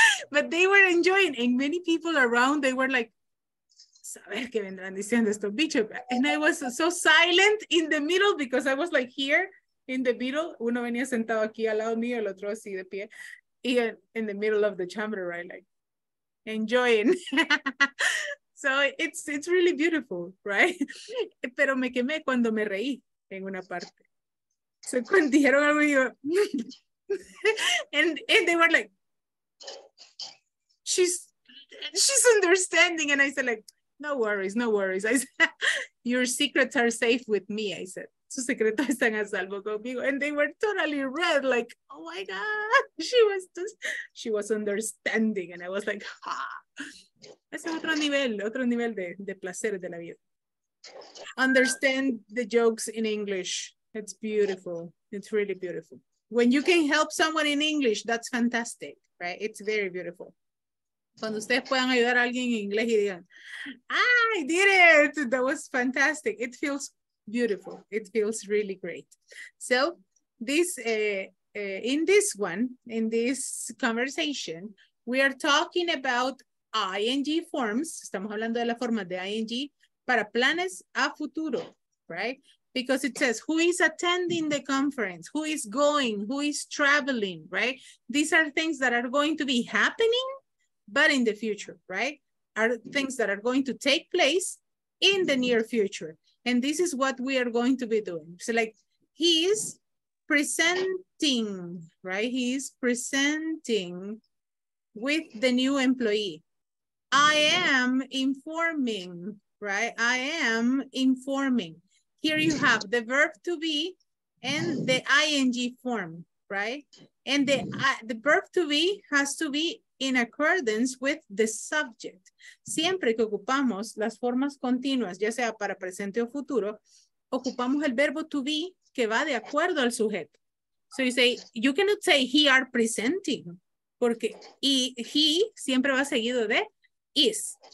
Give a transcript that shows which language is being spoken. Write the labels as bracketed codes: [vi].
[en] But they were enjoying, and many people around, they were like, [es] saber qué vendrán diciendo estos bichos. [en] And I was so silent in the middle because I was like here in the middle. [es] Uno venía sentado aquí al lado mío, el otro así de pie. [en] Y in the middle of the chamber, right? Like enjoying. So it's really beautiful, right? [es] Pero me quemé cuando me reí en una parte. [en] So [es] cuando dijeron algo, yo... [en] and they were like, she's understanding. And I said, like, no worries, no worries. I said, your secrets are safe with me. I said, [es] sus secretos están a salvo conmigo. [en] And they were totally red, like, oh my God. She was understanding. And I was like, ha. [es] Es otro nivel de placer de la vida. [en] Understand the jokes in English. It's beautiful. It's really beautiful. When you can help someone in English, that's fantastic, right? It's very beautiful. [es] Cuando ustedes puedan ayudar a alguien en inglés y digan, [en] I did it! That was fantastic. It feels beautiful. It feels really great. So this, in this one, in this conversation, we are talking about ING forms. [es] Estamos hablando de la forma de ING para planes a futuro, right? [en] Because it says, who is attending the conference? Who is going? Who is traveling, right? These are things that are going to be happening, but in the future, right? Are things that are going to take place in the near future. And this is what we are going to be doing. So like, he is presenting, right? He is presenting with the new employee. I am informing, right? I am informing. Here you have the verb to be and the ING form, right? And the verb to be has to be in accordance with the subject. [es] Siempre que ocupamos las formas continuas, ya sea para presente o futuro, ocupamos el verbo to be que va de acuerdo al sujeto. [en] So you say, you cannot say he are presenting, [es] porque y he siempre va seguido de is.